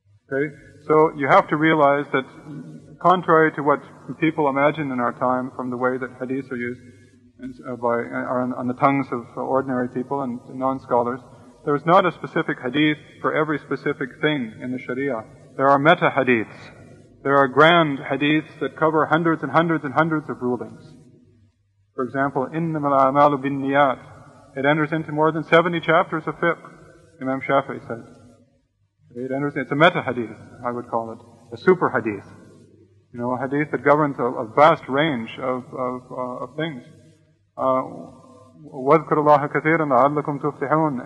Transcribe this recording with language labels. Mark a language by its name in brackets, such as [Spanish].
[English] Okay, so you have to realize that contrary to what people imagine in our time from the way that hadiths are used on the tongues of ordinary people and non-scholars, there is not a specific hadith for every specific thing in the Sharia. There are meta-hadiths. There are grand hadiths that cover hundreds and hundreds and hundreds of rulings. For example, [Arabic] إِنَّمَ الْأَعْمَالُ بِالنِّيَّاتِ. [English] It enters into more than 70 chapters of fiqh, Imam Shafi'i said. It's a meta-hadith, I would call it, a super-hadith. You know, a hadith that governs a vast range of things. [Arabic] وَذْكُرُ اللَّهَ كَثِيرًا لَعَلَّكُمْ تُفْتِحُونَ.